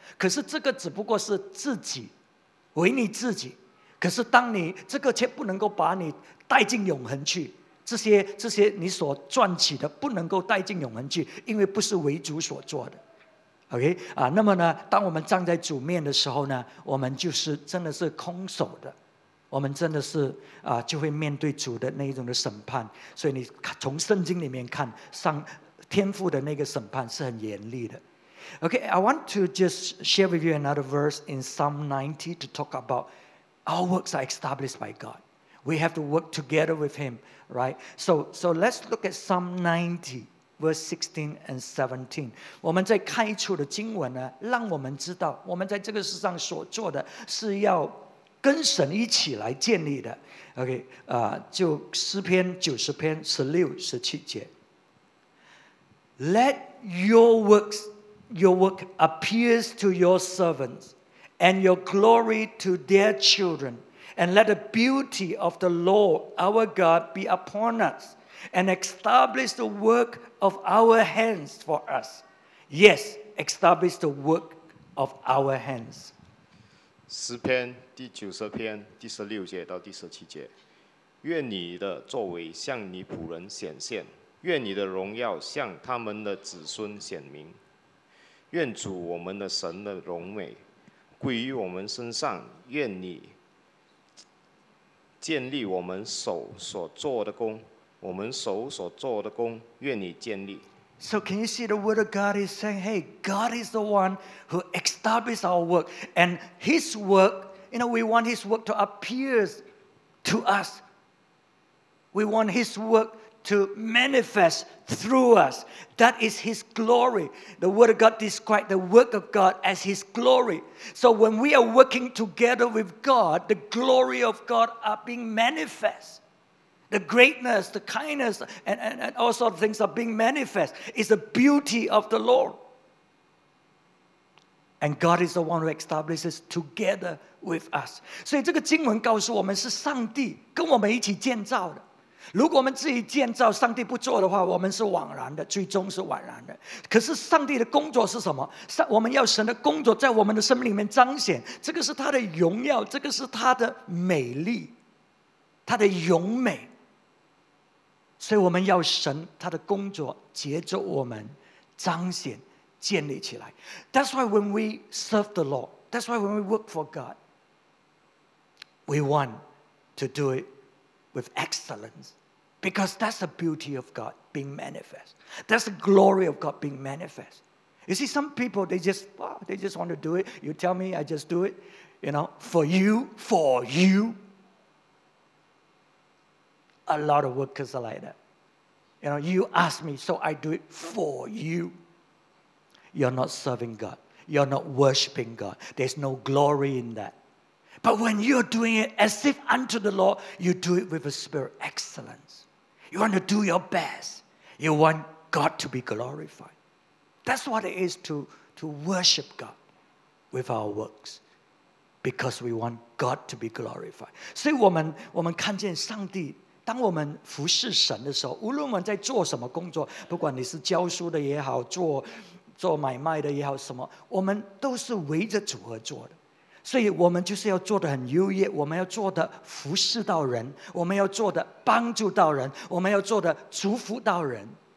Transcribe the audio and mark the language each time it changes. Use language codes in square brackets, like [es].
[zh] 可是这个只不过是自己为你自己，可是当你这个却不能够把你带进永恒去，这些你所赚取的不能够带进永恒去，因为不是为主所做的 OK、啊、那么呢，当我们站在主面的时候呢，我们就是真的是空手的，我们真的是、啊、就会面对主的那一种的审判。所以你从圣经里面看，上天父的那个审判是很严厉的。 [en] Okay, I want to just share with you another verse in Psalm 90 to talk about our works are established by God. We have to work together with Him, right? So let's look at Psalm 90, verse 16 and 17. [zh] 我们在开出的经文呢，让我们知道我们在这个世上所做的是要跟神一起来建立的。 Okay, 就诗篇90篇16、17节。 [en] Let your works... Your work appears to your servants, and your glory to their children. And let the beauty of the Lord our God be upon us, and establish the work of our hands for us. Yes, establish the work of our hands. [zh] 诗篇第九十篇第十六节到第十七节，愿你的作为向你仆人显现，愿你的荣耀向他们的子孙显明。愿主我们的神的荣美归于我们身上，愿你建立我们手所做的功，我们手所做的功愿你建立。 [en] So can you see the word of God is saying, hey, God is the one who establishes our work, and His work, you know, we want His work to appear to us. We want His workTo manifest through us. That is His glory. The Word of God describes the work of God as His glory. So when we are working together with God, the glory of God are being manifest. The greatness, the kindness, and all sorts of things are being manifest. It's the beauty of the Lord. And God is the one who establishes together with us. [zh] 所以这个经文告诉我们是上帝跟我们一起建造的。如果我们自己建造，上帝不做的话，我们是枉然的，最终是枉然的。可是上帝的工作是什么？我们要神的工作在我们的生命里面彰显，这个是他的荣耀，这个是他的美丽，他的荣美。所以我们要神他的工作接着我们彰显建立起来。 [en] That's why when we serve the Lord, that's why when we work for God, we want to do itWith excellence, because that's the beauty of God being manifest. That's the glory of God being manifest. You see, some people, they just want to do it. You tell me, I just do it. You know, for you. A lot of workers are like that. You know, you ask me, so I do it for you. You're not serving God. You're not worshiping God. There's no glory in that. But when you're doing it as if unto the Lord, you do it with a spirit of excellence. You want to do your best. You want God to be glorified. That's what it is to worship God with our works. Because we want God to be glorified. [zh] 所以我们看见上帝 当我们服侍神的时候，无论我们在做什么工作，不管你是教书的也好，做买卖的也好，什么，我们都是围着主而做的。所以，我们就是要做的很优越，我们要做的服侍到人，我们要做的帮助到人，我们要做的祝福到人。